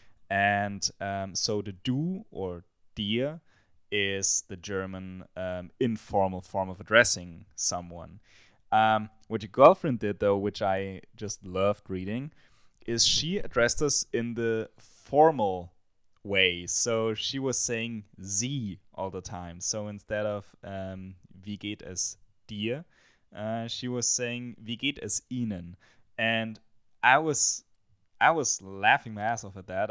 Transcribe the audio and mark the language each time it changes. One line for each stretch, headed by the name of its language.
English: And so the du or dir is the German informal form of addressing someone. What your girlfriend did, though, which I just loved reading, is she addressed us in the formal way. So she was saying sie all the time. So instead of
German: wie geht es dir,
English: she was saying
German: wie geht es ihnen.
English: And I was laughing my ass off at that.